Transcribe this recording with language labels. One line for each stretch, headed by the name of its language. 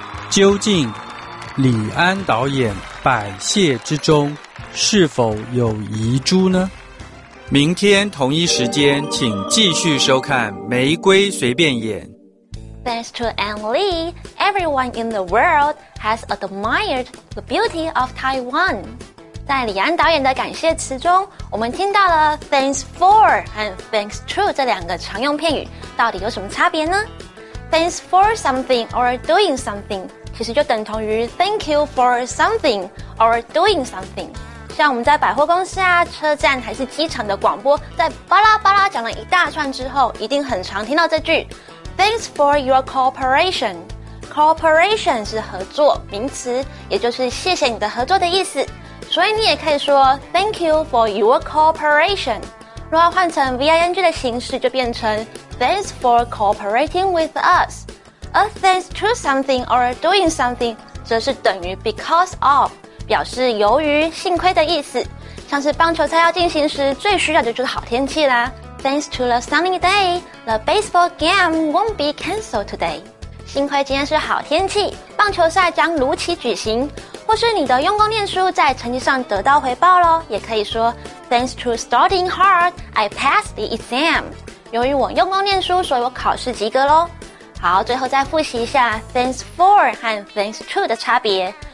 Chinese: 究竟李安导演百谢之中是否有遗珠呢？明天同一时间请继续收看《玫瑰随便演》。
English: Thanks to Ang Lee, everyone in the world has admired the beauty of Taiwan.
Chinese: 在李安导演的感谢词中，我们听到了 thanks for 和 thanks to 这两个常用片语，到底有什么差别呢？
English: Thanks for something or doing something
Chinese: 其实就等同于
English: thank you for something or doing something。
Chinese: 像我们在百货公司啊、车站还是机场的广播，在巴拉巴拉讲了一大串之后，一定很常听到这句。
English: Thanks for your cooperation.
Chinese: Cooperation 是合作名词，也就是谢谢你的合作的意思。所以你也可以说
English: Thank you for your cooperation.
Chinese: 如果换成 VING 的形式，就变成
English: Thanks for cooperating with us. A thanks to something or doing something
Chinese: 则是等于 because of， 表示由于、幸亏的意思。像是棒球赛要进行时，最需要的就是好天气啦。
English: Thanks to the sunny day, the baseball game won't be cancelled today.
Chinese: 幸亏今天是好天气，棒球赛将如期举行。或是你的用功念书在成绩上得到回报咯，也可以说
English: Thanks to studying hard, I passed the exam.
Chinese: 由于我用功念书，所以我考试及格咯。好，最后再复习一下 Thanks for 和 Thanks to 的差别。